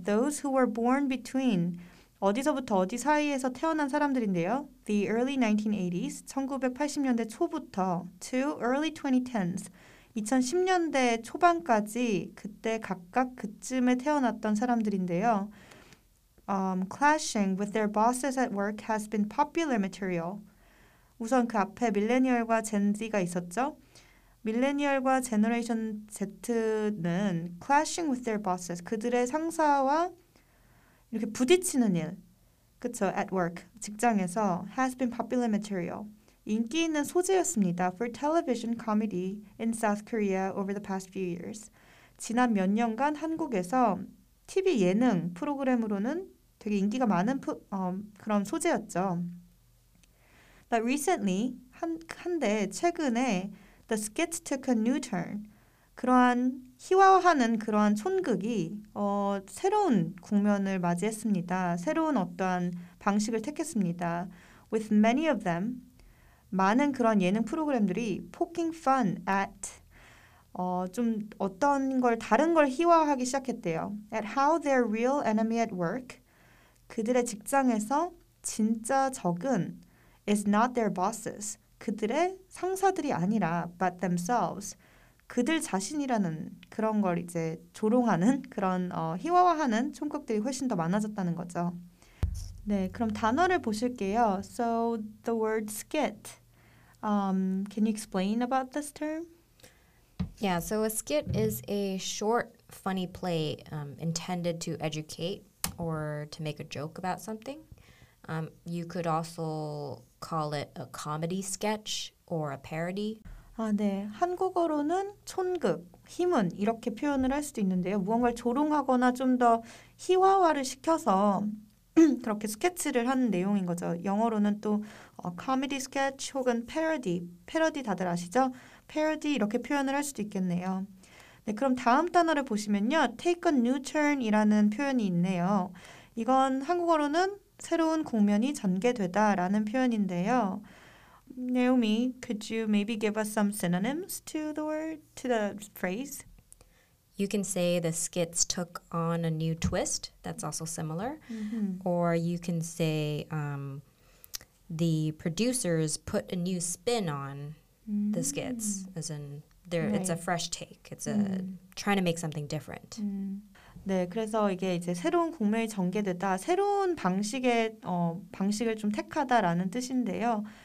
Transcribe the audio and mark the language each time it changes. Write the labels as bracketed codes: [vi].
[en] Those who were born between [ko] 어디서부터 어디 사이에서 태어난 사람들인데요. [en] The early 1980s, [ko] 1980년대 초부터 [en] to early 2010s, [ko] 2010년대 초반까지 그때 각각 그쯤에 태어났던 사람들인데요. [en] Clashing with their bosses at work has been popular material. [ko] 우선 그 앞에 밀레니얼과 젠Z가 있었죠. 밀레니얼과 제너레이션 Z는 [en] clashing with their bosses, [ko] 그들의 상사와 이렇게 부딪히는 일, 그쵸? [en] At work, [ko] 직장에서 [en] has been popular material. [ko] 인기 있는 소재였습니다. [en] For television comedy in South Korea over the past few years. [ko] 지난 몇 년간 한국에서 TV 예능 프로그램으로는 되게 인기가 많은 그런 소재였죠. [en] But recently, [ko] 한데 최근에 [en] the sketch took a new turn. [ko] 그러한 희화화하는 그러한 촌극이 새로운 국면을 맞이했습니다. 새로운 어떠한 방식을 택했습니다. [en] With many of them, [ko] 많은 그런 예능 프로그램들이 [en] poking fun at [ko] 좀 어떤 걸 다른 걸 희화화하기 시작했대요. [en] At how their real enemy at work, [ko] 그들의 직장에서 진짜 적은 [en] is not their bosses, [ko] 그들의 상사들이 아니라 [en] but themselves, [ko] 그들 자신이라는 그런 걸 이제 조롱하는 그런 희화화하는 총극들이 훨씬 더 많아졌다는 거죠. 네, 그럼 단어를 보실게요. [en] So, the word skit. Can you explain about this term? Yeah, so a skit is a short, funny play intended to educate or to make a joke about something. You could also call it a comedy sketch or a parody. [ko] 아, 네. 한국어로는 촌극, 희문 이렇게 표현을 할 수도 있는데요. 무언가를 조롱하거나 좀 더 희화화를 시켜서 그렇게 스케치를 하는 내용인 거죠. 영어로는 또 comedy sketch 혹은 parody. parody 다들 아시죠? parody 이렇게 표현을 할 수도 있겠네요. 네, 그럼 다음 단어를 보시면요. take a new turn이라는 표현이 있네요. 이건 한국어로는 새로운 국면이 전개되다라는 표현인데요. [en] Naomi, could you maybe give us some synonyms to the word, to the phrase? You can say the skits took on a new twist. That's also similar. Mm-hmm. Or you can say the producers put a new spin on the skits. As in, right. It's a fresh take. It's trying to make something different. Mm. [ko] 네, 그래서 이게 이제 새로운 국면이 전개되다, 새로운 방식의 방식을 좀 택하다라는 뜻인데요.